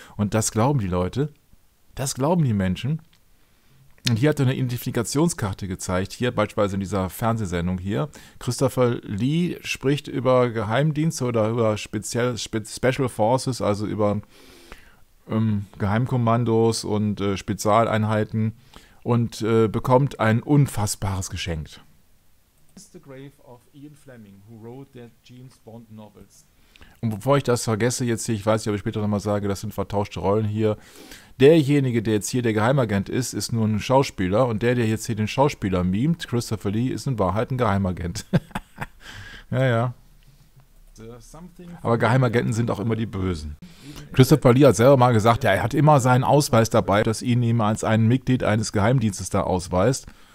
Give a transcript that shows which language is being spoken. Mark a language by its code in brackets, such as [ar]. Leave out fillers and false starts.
[de] Und das glauben die Leute, das glauben die Menschen. Und hier hat er eine Identifikationskarte gezeigt, hier beispielsweise in dieser Fernsehsendung hier. Christopher Lee spricht über Geheimdienste oder über Special Forces, also über Geheimkommandos und Spezialeinheiten und bekommt ein unfassbares Geschenk. [en] This is the grave of Ian Fleming, who wrote the James Bond novels. [de] Und bevor ich das vergesse jetzt hier, ich weiß nicht, ob ich später nochmal sage, das sind vertauschte Rollen hier. Derjenige, der jetzt hier der Geheimagent ist, ist nur ein Schauspieler. Und der jetzt hier den Schauspieler mimt, Christopher Lee, ist in Wahrheit ein Geheimagent. Ja, ja. Aber Geheimagenten sind auch immer die Bösen. Christopher Lee hat selber mal gesagt, ja, er hat immer seinen Ausweis dabei, dass ihn eben als ein Mitglied eines Geheimdienstes da ausweist.